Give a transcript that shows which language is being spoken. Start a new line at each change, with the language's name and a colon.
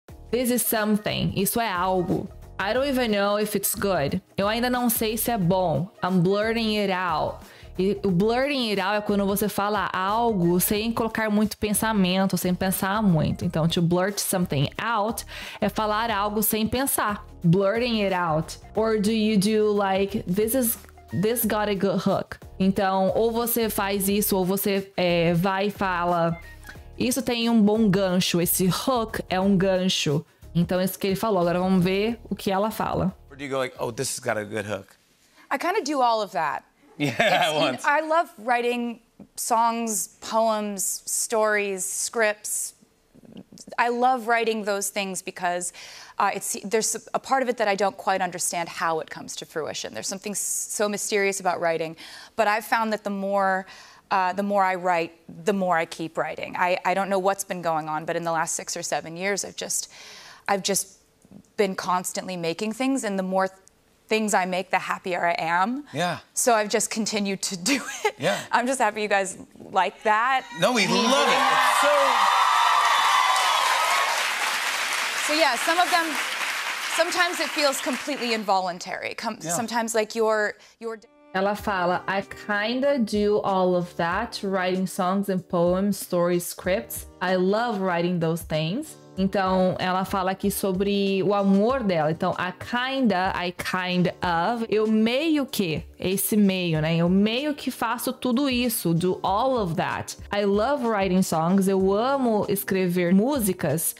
English: This is something,
Portuguese: isso é algo.
English: I don't even know if it's good.
Portuguese: Eu ainda não sei se é bom.
English: I'm blurting it out.
Portuguese: E o blurting it out é quando você fala algo sem colocar muito pensamento, sem pensar muito. Então, to blurt something out é falar algo sem pensar.
English: Blurting it out. Or do you do like, this got a good hook.
Portuguese: Então, ou você faz isso, ou você vai e fala, isso tem um bom gancho, esse hook é um gancho. Então, isso que ele falou. Agora, vamos ver o que ela fala.
English: Or do you go like, oh, this has got a good hook? I kind of do all of that. Yeah, at once. I love writing songs, poems, stories, scripts. I love writing those things because there's a part of it that I don't quite understand how it comes to fruition. There's something so mysterious about writing. But I've found that the more I write, the more I keep writing. I don't know what's been going on, but in the last 6 or 7 years, I've just been constantly making things, and the more things I make, the happier I am. Yeah. So I've just continued to do it. Yeah. I'm just happy you guys like that. No, we love it. So, some of them, sometimes it feels completely involuntary. Sometimes like you're...
Portuguese: Ela fala,
English: I kinda do all of that, writing songs and poems, stories, scripts. I love writing those things.
Portuguese: Então, ela fala aqui sobre o amor dela. Então,
English: I kind of,
Portuguese: eu meio que, esse meio, né? Eu meio que faço tudo isso,
English: do all of that. I love writing songs,
Portuguese: eu amo escrever músicas.